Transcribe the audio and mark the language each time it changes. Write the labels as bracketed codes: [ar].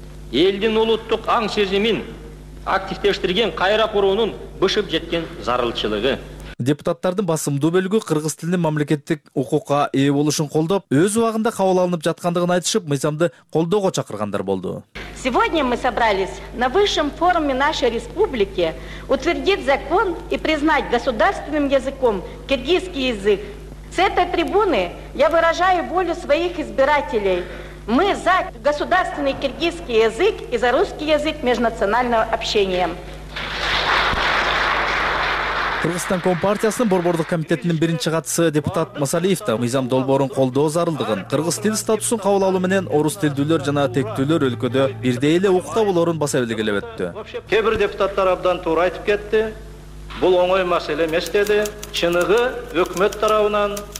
[ky] Элдин улуттук аң сезимин активдештирген кайра куруунун бышып жеткен зарылчылыгы. Депутаттардын басымдуу бөлүгү кыргыз тилинин мамлекеттик укукка ээ болушун колдоп, өз убагында кабыл алынып жаткандыгын айтышып, мыйзамды колдоого чакыргандар болду. [ru] Сегодня мы собрались на высшем форуме нашей республики утвердить закон и признать государственным языком киргизский язык. С этой трибуны я выражаю волю своих избирателей. Мы за государственный киргизский язык и за русский язык межнационального общения. [ky] Кыргызстан Компартиясынын борбордук комитетинин биринчи катчысы депутат Масалиев да мыйзам долбоорун колдоо зарылдыгын, кыргыз тил статусун кабыл алуу менен орус тилдүүлөр жана тектүүлөр өлкөдө бирдей эле укукта болорун баса белгилеп өттү. Кээ бир депутаттар абдан туура айтып кетти, бул оңой маселе эмес деди. Чыныгы өкмөт тарабынан